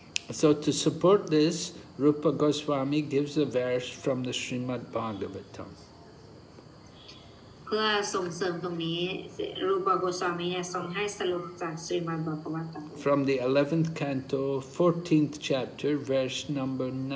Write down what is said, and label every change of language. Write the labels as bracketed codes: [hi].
[en] So to support this, Rupa Goswami gives a verse from the Srimad Bhagavatam. [th] เพื่อส่งเสริมตรงนี้รูปโกสวามีเนี่ยส่งให้สรุปจากสุริมันบอกว่า [en] From the 11th canto 14th chapter verse number 19